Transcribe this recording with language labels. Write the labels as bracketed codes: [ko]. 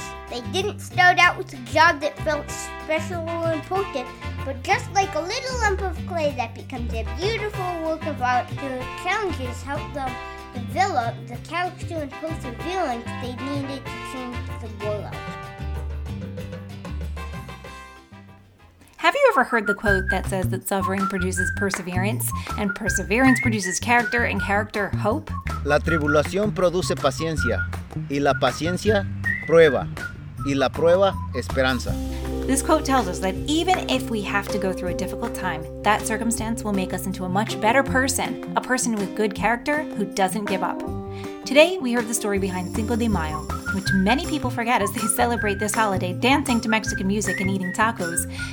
[en] They didn't start out with a job that felt special or important, but just like a little lump of clay that becomes a beautiful work of art, the challenges helped them develop the character and perseverance they needed to change the world." Have you ever heard the quote that says that suffering produces perseverance, and perseverance produces character, and character hope? [es] La tribulación produce paciencia, y la paciencia prueba. Y la prueba, esperanza. [en] This quote tells us that even if we have to go through a difficult time, that circumstance will make us into a much better person, a person with good character who doesn't give up. Today, we heard the story behind Cinco de Mayo, which many people forget as they celebrate this holiday dancing to Mexican music and eating tacos.